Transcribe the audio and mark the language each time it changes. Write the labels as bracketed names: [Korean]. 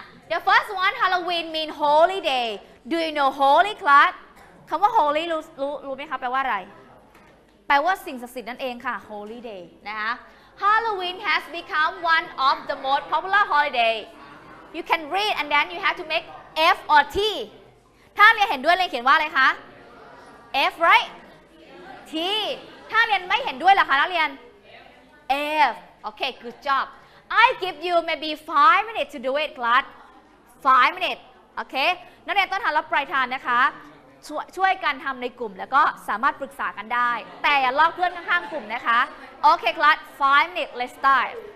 [English] The first one, Halloween mean holy day. Do you know holy class? [Thai] คำว่า holy รู้ไหมคะแปลว่าอะไรแปลว่าสิ่งศักดิ์สิทธิ์นั่นเองค่ะ holy day นะคะ [English] Halloween has become one of the most popular holiday. You can read and then you have to make F or T. [Thai] ถ้าเรียนเห็นด้วยเรียนเขียนว่าอะไรคะ [English] F right? T. [Thai] ถ้าเรียนไม่เห็นด้วยล่ะคะนักเรียน [English] F okay good job I give you maybe 5 minutes [Thai] to do it class 5 minutes okay นักเรียนต้นทางและปลายทางนะคะช่วยกันทำในกลุ่มแล้วก็สามารถปรึกษากันได้แต่อย่าลอกเพื่อนข้างๆกลุ่มนะคะ [English] okay class 5 minutes let's start